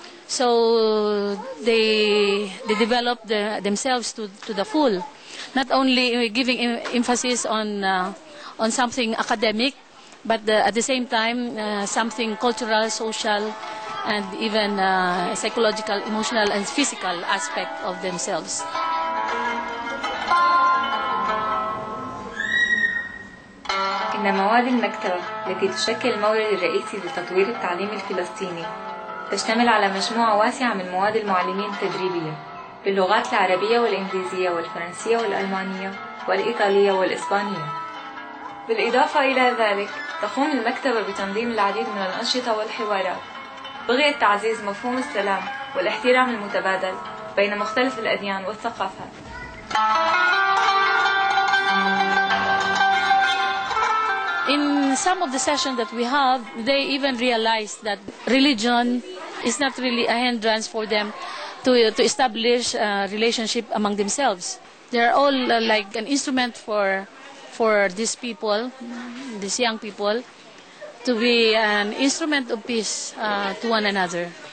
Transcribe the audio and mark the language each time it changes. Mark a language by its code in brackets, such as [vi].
[en] So they develop themselves to the full, not only giving emphasis on something academic, but at the same time something cultural, social, and even psychological, emotional, and physical aspect of themselves. [ar] إن مواد المكتبة التي تشكل مورد الرئيسي لتطوير التعليم الفلسطيني تشتمل على مجموعة واسعة من مواد المعلمين التدريبية باللغات العربية والإنجليزية والفرنسية والألمانية والإيطالية والإسبانية. بالإضافة إلى ذلك، تقوم المكتبة بتنظيم العديد من الأنشطة والحوارات بغية تعزيز مفهوم السلام والاحترام المتبادل بين مختلف الأديان والثقافات. [en] In some of the sessions that we have, they even realize that religion is not really a hindrance for them to establish a relationship among themselves. They are all like an instrument for these people, these young people, to be an instrument of peace to one another.